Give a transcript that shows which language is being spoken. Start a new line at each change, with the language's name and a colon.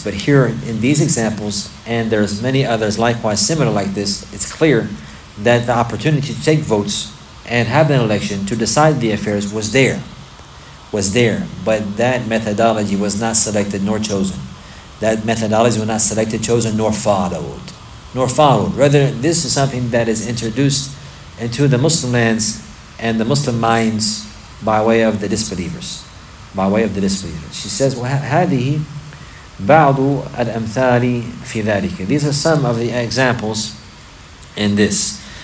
English: But here in these examples, and there's many others likewise similar like this, it's clear that the opportunity to take votes and have an election to decide the affairs was there, but that methodology was not selected nor chosen. That methodology was not selected, chosen, nor followed. Rather, this is something that is introduced into the Muslim lands and the Muslim minds by way of the disbelievers. She says,
Arabic: وَهَذِهِ بَعْضُ الْأَمْثَالِ فِي ذَلِكَ.
English: These are some of the examples in this.